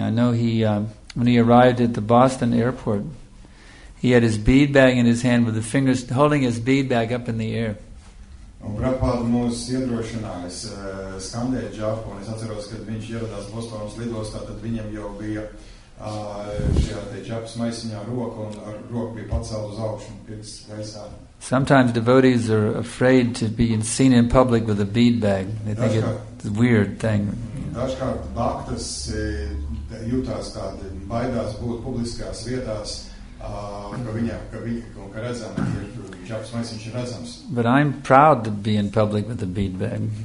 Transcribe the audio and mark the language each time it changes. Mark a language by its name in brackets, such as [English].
[English] I know he when he arrived at the Boston airport, he had his bead bag in his hand with the fingers holding his bead bag up in the air. [Latvian] Un Prabhupāda mūs iedrošinājis skandēt džapu, un es atceros, kad viņš ieradās Bostonas lidostā, tad viņam jau bija šajā te džapas maisiņā roka, un ar roku bija pacēlu uz augšu un pirkstu gaisā. [English] Sometimes devotees are afraid to be seen in public with a bead bag. They think it's a weird thing. [Latvian] Dažkārt bhaktas jūtās tādi, baidās būt publiskās vietās, ka redzam, [English] but I'm proud to be in public with a bead bag.